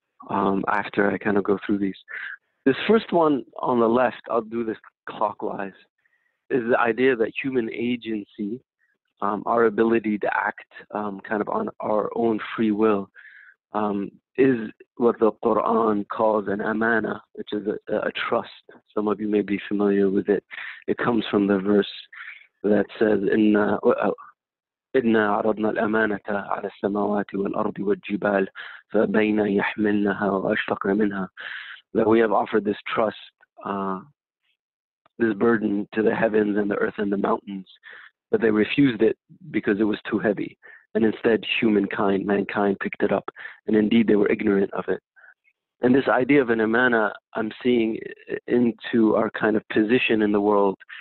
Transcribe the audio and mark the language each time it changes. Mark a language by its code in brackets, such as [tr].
[en] After I kind of go through these. This first one on the left, I'll do this clockwise, is the idea that human agency, our ability to act kind of on our own free will, is what the Quran calls an amana, which is a trust. Some of you may be familiar with it. It comes from the verse that says, [ar] إِنَّا عَرَضْنَا الْأَمَانَةَ عَلَى السَّمَاوَاتِ وَالْأَرْضِ وَالْجِبَالِ فَبَيْنَا يَحْمِلْنَهَا وَأَشْفَقْنَا مِنْهَا. [en] That we have offered this trust, this burden to the heavens and the earth and the mountains, but they refused it because it was too heavy. And instead, humankind, mankind picked it up. And indeed, they were ignorant of it. And this idea of an amana, I'm seeing into our kind of position in the world.